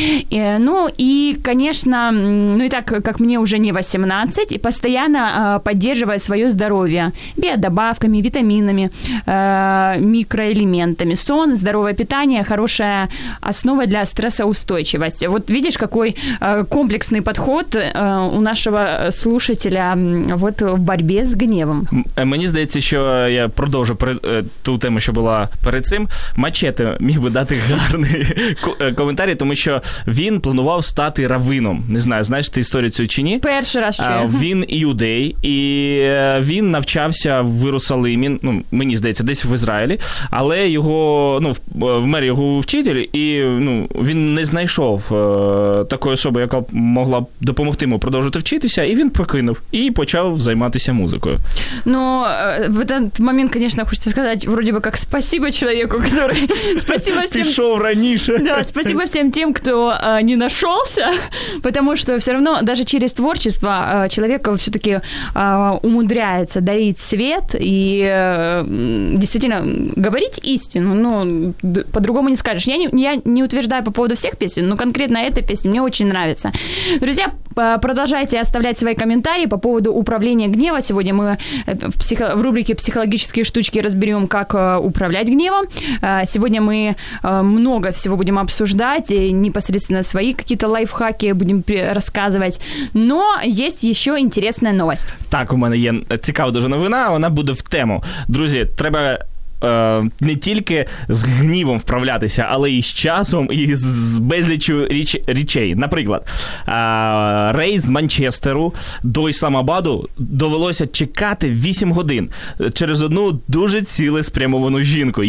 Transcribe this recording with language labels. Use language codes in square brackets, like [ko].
[ru] Ну и, конечно, ну и так как мне уже не 18, и постоянно поддерживаю свое здоровье. Биодобавками, витаминами, микроэлементами. Сон, здоровое питание. Питание – хорошая основа для стрессоустойчивости. Вот видишь, какой комплексный подход у нашего слушателя вот, в борьбе с гневом. [uk] Мені здається, що я продовжу ту тему, що була перед цим. Мачете міг би дати гарний коментар, тому що він планував стати раввином. Не знаю, знаєш ти історію цю чи ні? Перший раз чую. Він іудей, і він навчався в Єрусалимі, ну, мені здається, десь в Ізраїлі, але його, ну, вмер його вчитель, і ну, він не знайшов такої особи, яка могла б допомогти йому продовжити вчитися, і він покинув, і почав займатися музикою. [ru] Ну, в этот момент, конечно, хочется сказать, вроде бы как спасибо человеку, который... Спасибо всем... [uk] Пішов раніше. [ru] Да, спасибо всем тем, кто не нашелся, потому что все равно даже через творчество человек все-таки умудряется дарить свет и действительно говорить истину, но... По-другому не скажешь. Я не утверждаю по поводу всех песен, но конкретно эта песня мне очень нравится. Друзья, продолжайте оставлять свои комментарии по поводу управления гневом. Сегодня мы в рубрике «Психологические штучки» разберем, как управлять гневом. Сегодня мы много всего будем обсуждать, и непосредственно свои какие-то лайфхаки будем рассказывать. Но есть еще интересная новость. Так, у меня есть [uk] цікава дуже новина, [ru] она будет в тему. [uk] Друзья, треба не тільки з гнівом вправлятися, але і з часом, і з безлічю речей. Наприклад, рейс з Манчестеру до Ісламабаду довелося чекати 8 годин через одну дуже цілеспрямовану жінку.